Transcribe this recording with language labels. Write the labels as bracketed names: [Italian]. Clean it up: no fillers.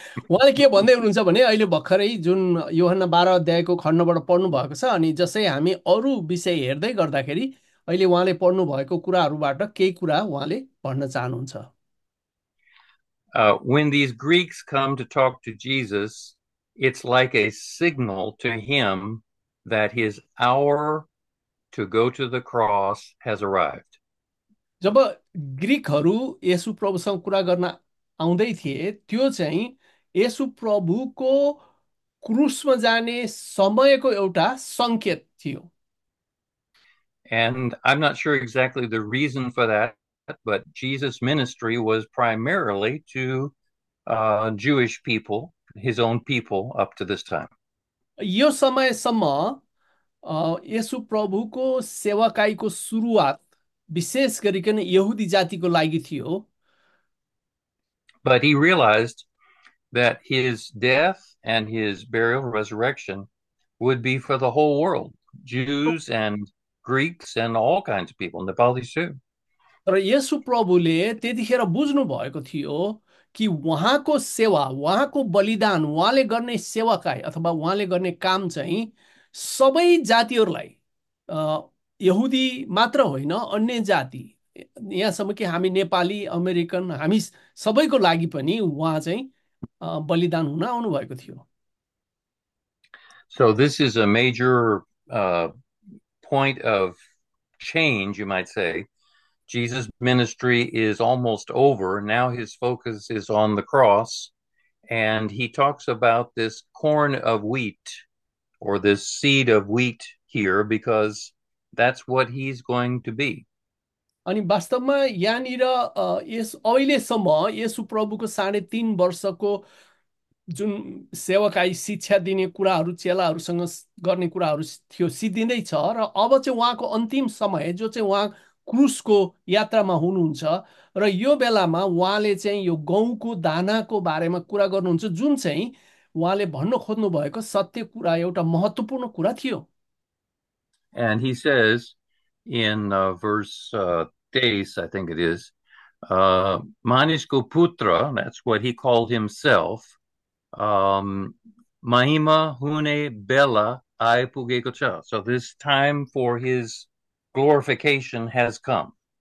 [Nepali] उहाँले के भन्दै हुनुहुन्छ भने अहिले भर्खरै जुन योहन्ना 12 अध्यायको खण्डबाट पढ्नु भएको छ अनि जसै हामी अरू विषय हेर्दै गर्दाखेरि अहिले उहाँले पढ्नु भएको कुराहरूबाट केही कुरा उहाँले भन्न चाहनुहुन्छ। [English] When these Greeks come to talk to Jesus, it's like a signal to him that his hour to go to the cross has arrived. [Nepali] जब ग्रिकहरू येसु प्रभुसँग कुरा गर्न आउँदै थिए, त्यो चाहिँ येसु प्रभुको क्रुसमा जाने समयको एउटा सङ्केत थियो। [English] And I'm not sure exactly the reason for that, but Jesus' ministry was primarily to Jewish people, his own people, up to this time. [Nepali] यो समयसम्म येसु प्रभुको सेवकाईको सुरुवात विशेष गरिकन यहुदी जातिको लागि थियो। [English] But he realized that his death and his burial, resurrection, would be for the whole world, Jews and Greeks and all kinds of people, Nepalis too. [Nepali] तर येसु प्रभुले त्यतिखेर बुझ्नु भएको थियो कि उहाँको सेवा, उहाँको बलिदान, उहाँले गर्ने सेवाकाई अथवा उहाँले गर्ने काम चाहिँ सबै जातिहरूलाई, यहुदी मात्र होइन अन्य जाति, यहाँसम्म कि हामी नेपाली, अमेरिकन, हामी सबैको लागि पनि उहाँ चाहिँ बलिदान हुन आउनु भएको थियो। [English] So this is a major point of change, you might say. Jesus' ministry is almost over. Now his focus is on the cross, and he talks about this corn of wheat or this seed of wheat here because that's what he's going to be. [Nepali] अनि वास्तवमा यहाँनिर यस अहिलेसम्म येसु प्रभुको 3.5 वर्षको जुन सेवकाई शिक्षा दिने कुराहरू, चेलाहरूसँग गर्ने कुराहरू थियो, सिद्धिँदैछ। र अब चाहिँ उहाँको अन्तिम समय, जो चाहिँ उहाँ क्रुसको यात्रामा हुनुहुन्छ, र यो बेलामा उहाँले चाहिँ यो गहुँको दानाको बारेमा कुरा गर्नुहुन्छ, जुन चाहिँ उहाँले भन्नु खोज्नु भएको सत्य कुरा, एउटा महत्त्वपूर्ण कुरा थियो। [English] And he says in verse 8, I think it is, [Nepali] Manishko Putra, [English] that's what he called himself, [Nepali] Mahima Hune Bela Aipugekocha. [English] So this time for his glorification has come.